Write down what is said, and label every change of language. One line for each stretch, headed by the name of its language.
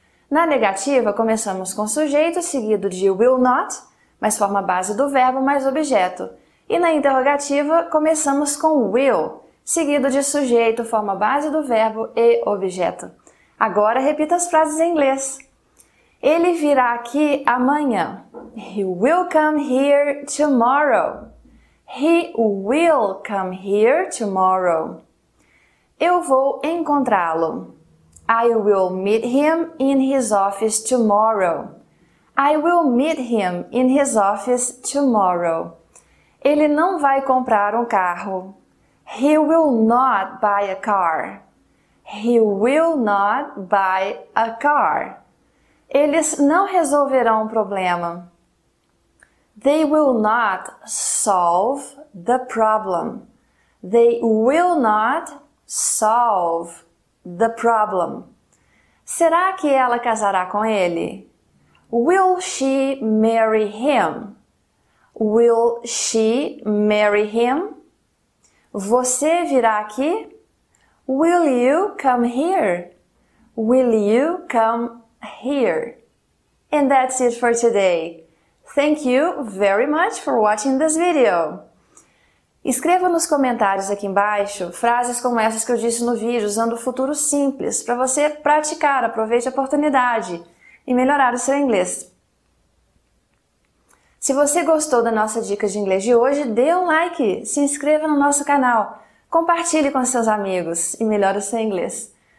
Portuguese: Na negativa, começamos com sujeito seguido de will not, mais forma base do verbo mais objeto. E na interrogativa, começamos com will, seguido de sujeito, forma base do verbo e objeto. Agora repita as frases em inglês. Ele virá aqui amanhã.
English: He will come here tomorrow. He will come here tomorrow.
Portuguese: Eu vou encontrá-lo.
English: I will meet him in his office tomorrow. I will meet him in his office tomorrow.
Portuguese: Ele não vai comprar um carro.
English: He will not buy a car. He will not buy a car.
Portuguese: Eles não resolverão o problema.
English: They will not solve the problem. They will not solve the problem.
Portuguese: Será que ela casará com ele?
English: Will she marry him? Will she marry him?
Portuguese: Você virá aqui?
English: Will you come here? Will you come here? And that's it for today. Thank you very much for watching this video.
Portuguese: Escreva nos comentários aqui embaixo frases como essas que eu disse no vídeo, usando o futuro simples, para você praticar. Aproveite a oportunidade e melhorar o seu inglês. Se você gostou da nossa dica de inglês de hoje, dê um like, se inscreva no nosso canal, compartilhe com seus amigos e melhore o seu inglês.